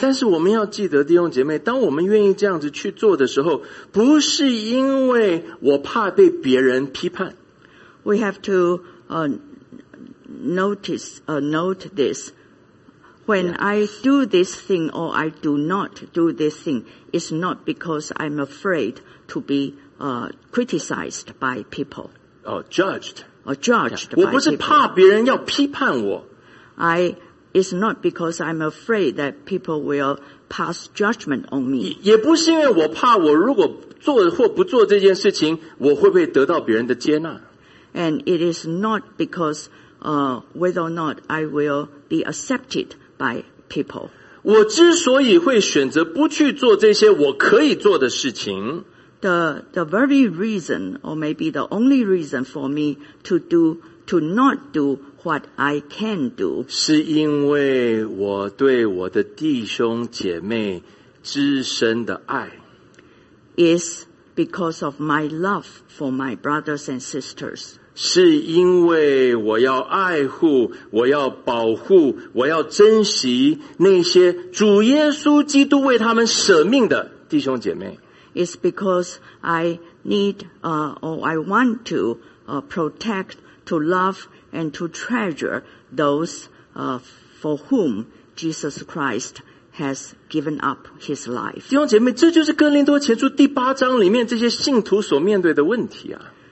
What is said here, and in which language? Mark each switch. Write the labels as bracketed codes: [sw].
[zh] 但是我们要记得，弟兄姐妹，当我们愿意这样子去做的时候，不是因为我怕被别人批判。 [en] We have to note this. When I do this thing or I do not do this thing, it's not because I'm afraid to be criticized by people. Or judged by people. [zh] 我不是怕别人要批判我。 [en] It's not because I'm afraid that people will pass judgment on me. [zh] 也不是因为我怕我如果做或不做这件事情，我会不会得到别人的接纳。 [en] And it is not because whether or not I will be accepted by people. [zh] 我之所以会选择不去做这些我可以做的事情， [en] The very reason, or maybe the only reason for me to not do what I can do, [zh] 是因为我对我的弟兄姐妹至深的爱， [en] is because of my love for my brothers and sisters. [zh] 是因为我要爱护，我要保护，我要珍惜那些主耶稣基督为他们舍命的弟兄姐妹。 [en] is because I need, or I want to, protect, to love, and to treasure those for whom Jesus Christ has given up his life. [zh] 弟兄姐妹，这就是哥林多前书第八章里面这些信徒所面对的问题啊。